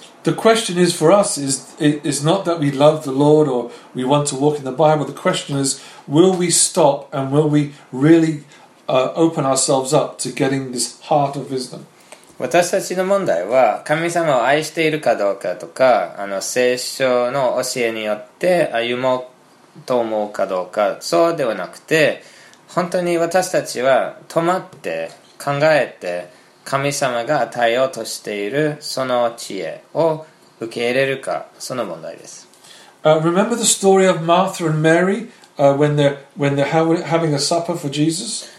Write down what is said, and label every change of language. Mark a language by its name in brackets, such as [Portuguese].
[English] The question is for us is not that we love the Lord or we want to walk in the Bible. The question is, will we stop and will we really open ourselves up to getting this heart of wisdom? [Japanese] 私たちの問題は神様を愛しているかどうかとか、聖書の教えによって歩もうと思うかどうか、そうではなくて、本当に私たちは止まって考えて神様が与えようとしているその知恵を受け入れるか、その問題です。 [English] Remember the story of Martha and Mary, when they're having a supper for Jesus?